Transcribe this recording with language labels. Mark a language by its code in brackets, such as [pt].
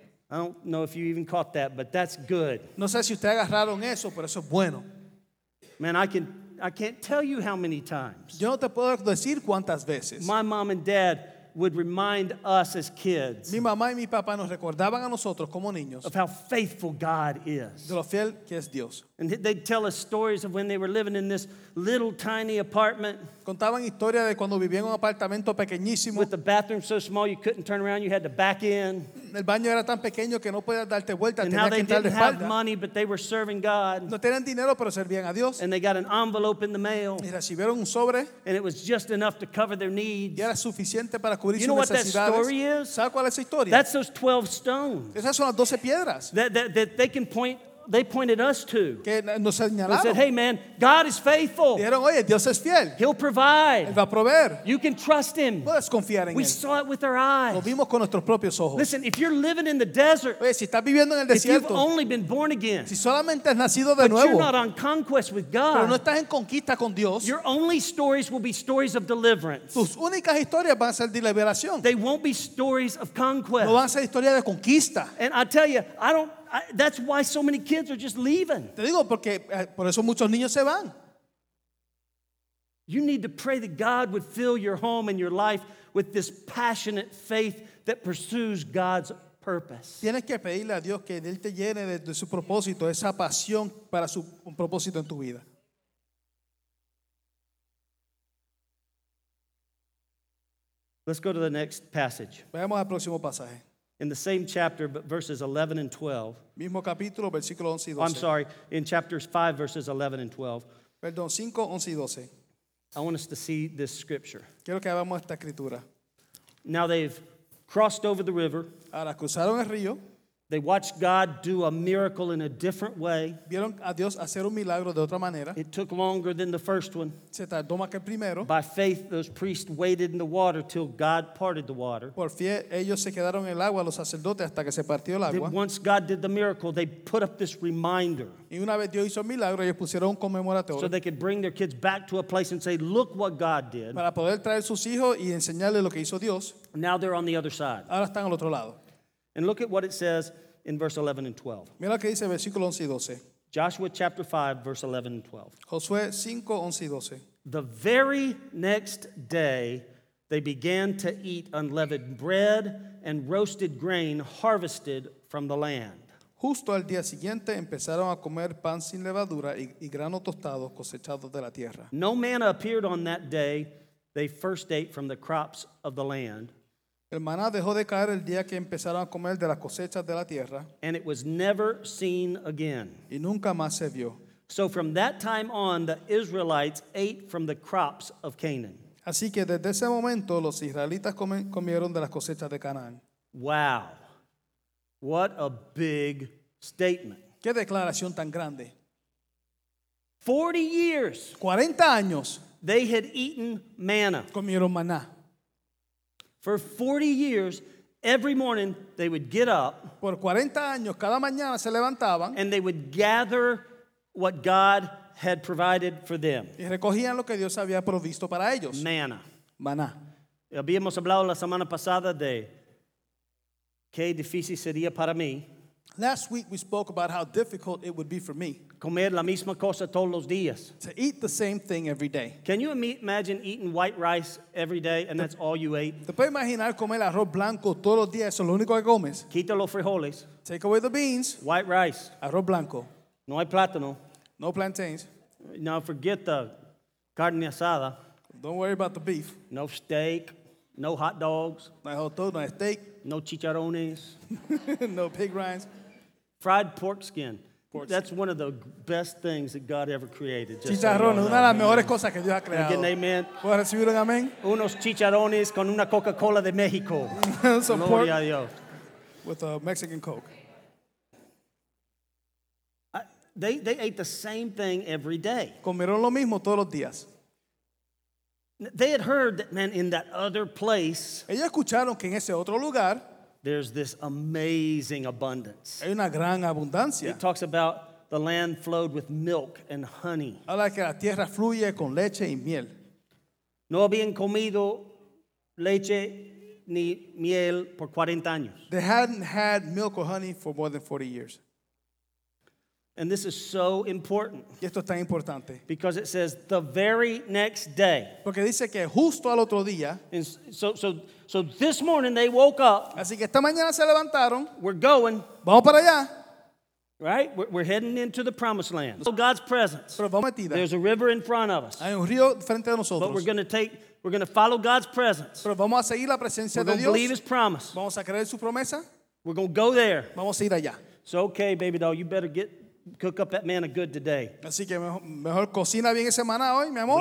[en] I don't know if you even caught that, but that's good. [es] No sé si usted agarraron eso, pero eso es bueno. [en] Man, I can't tell you how many times. [es] Yo no te puedo decir cuántas veces. [en] My mom and dad would remind us as kids. [es] Mi mamá y mi papá nos recordaban a nosotros como niños. [en] Of how faithful God is. [es] De lo fiel que es Dios. [en] And they'd tell us stories of when they were living in this little tiny apartment. [es] Contaban historia de cuando vivían en un apartamento pequeñísimo. [en] With the bathroom so small you couldn't turn around, you had to back in. [es] El baño era tan pequeño que no podías darte vuelta, tenías que entrar de espalda. [en] And how they didn't have money, but they were serving God. [es] No tenían dinero, pero servían a Dios. [en] And they got an envelope in the mail. [es] Y recibieron un sobre. [en] And it was just enough to cover their needs. [es] Y era suficiente para cubrir sus necesidades. [en] You know what that story is? [es] ¿Sabes cuál es esa historia? [en] That's those 12 stones. [es] Esas son las 12 piedras. [en] That they can point. They pointed us to. [es] Que nos señalaron. [en] They said, hey man, God is faithful. [es] Dijeron, oye, Dios es fiel. [en] He'll provide. [es] Él va a proveer. [en] You can trust him. [es] Puedes confiar en [en] we [es] él. [en] Saw it with our eyes. [es] Lo vimos con nuestros propios ojos. [en] Listen, if you're living in the desert, [es] oye, si estás viviendo en el desierto, [en] if you've only been born again, [es] si solamente has nacido de [en] but [es] nuevo, [en] you're not on conquest with God, [es] pero no estás en conquista con Dios, [en] your only stories will be stories of deliverance. [es] Tus únicas historias van a ser de liberación. [en] They won't be stories of conquest. [es] No van a ser historias de conquista. [en] And I tell you, that's why so many kids are just leaving. [es] Te digo porque por eso muchos niños se van. [en] You need to pray that God would fill your home and your life with this passionate faith that pursues God's purpose. [es] Tienes que pedirle a Dios que él te llene de su propósito, esa pasión para su un propósito en tu vida. [en] Let's go to the next passage. [es] Vayamos al próximo pasaje. [en] In the same chapter, but verses 11 and 12. [es] Mismo capítulo, versículo 11 y 12. [en] I'm sorry, in chapters 5, verses 11 and 12. [es] Perdón, 5, 11 y 12. [en] I want us to see this scripture. [es] Quiero que veamos esta escritura. [en] Now they've crossed over the river. [es] Ahora cruzaron el río. [en] They watched God do a miracle in a different way. [es] Vieron a Dios hacer un milagro de otra manera. [en] It took longer than the first one. [es] Se tardó más que el primero. [en] By faith, those priests waited in the water till God parted the water. [es] Por fe, ellos se quedaron en el agua, los sacerdotes, hasta que se partió el agua. [en] Then once God did the miracle, they put up this reminder. [es] Y una vez Dios hizo el milagro, ellos pusieron un conmemorativo. [en] So they could bring their kids back to a place and say, look what God did. [es] Para poder traer sus hijos y enseñarles lo que hizo Dios. [en] Now they're on the other side. [es] Ahora están al otro lado. [en] And look at what it says in verse 11 and 12. [es] Mira que dice versículo 11 y 12. [en] Joshua chapter 5, verse 11 and 12. [es] Josué 5, 11 y 12. [en] The very next day, they began to eat unleavened bread and roasted grain harvested from the land. [es] Justo al día siguiente, empezaron a comer pan sin levadura y grano tostado cosechado de la tierra. [en] No manna appeared on that day. They first ate from the crops of the land. [es] El maná dejó de caer el día que empezaron a comer de las cosechas de la tierra. [en] And it was never seen again. [es] Y nunca más se vio. [en] So from that time on, the Israelites ate from the crops of Canaan. [es] Así que desde ese momento, los israelitas comieron de las cosechas de Canaán. [en] Wow. What a big statement. [es] Qué declaración tan grande. [en] 40 years. [es] 40 años. [en] They had eaten manna. [es] Comieron maná. [en] For 40 years, every morning they would get up. [es] Por 40 años, cada mañana se levantaban. [en] And they would gather what God had provided for them. [es] Y recogían lo que Dios había provisto para ellos. [en] Manna. [es] Maná. Habíamos hablado la semana pasada de qué difícil sería para mí. [en] Last week we spoke about how difficult it would be for me. [es] Comer la misma cosa todos los días. [en] To eat the same thing every day. Can you imagine eating white rice every day and that's all you ate? [es] ¿Te puedes imaginar comer arroz blanco todos los días, eso es lo único que comes? Quita los frijoles. [en] Take away the beans. White rice. [es] Arroz blanco. No hay plátano. [en] No plantains. Now forget the carne asada. Don't worry about the beef. No steak. No hot dogs. No hot dog, no steak. [es] No chicharrones. [en] No pig rinds. Fried pork skin. That's one of the best things that God ever created. [es] Chicharrones, [en] so [es] una de las mejores cosas que Dios ha creado. [en] Again, amen. [es] ¿Puedo recibir un amén? Unos chicharrones con una Coca-Cola de México. [en] Some pork a Dios. With a Mexican Coke. They ate the same thing every day. [es] Comieron lo mismo todos los días. [en] They had heard that, man, in that other place, [es] ellos escucharon que en ese otro lugar, [en] there's this amazing abundance. [es] Hay una gran abundancia. [en] It talks about the land flowed with milk and honey. [es] Habla que la tierra fluye con leche y miel. No habían comido leche ni miel por 40 años. [en] They hadn't had milk or honey for more than 40 years. And this is so important. [es] Y esto es tan importante. [en] Because it says the very next day. [es] Porque dice que justo al otro día. [en] And so this morning they woke up. [es] Así que esta mañana se levantaron. [en] We're going. [es] Vamos para allá. [en] Right? We're heading into the promised land. So God's presence. [es] Pero vamos metida. [en] There's a river in front of us. [es] Hay un río frente a nosotros. [en] But we're going to follow God's presence. [es] Pero vamos a seguir la presencia de Dios. [en] We're going to believe his promise. [es] Vamos a creer su promesa. [en] We're going to go there. [es] Vamos a ir allá. [en] So okay, baby doll, you better get cook up that manna good today. [es] Así que mejor cocina bien esa maná hoy, mi amor.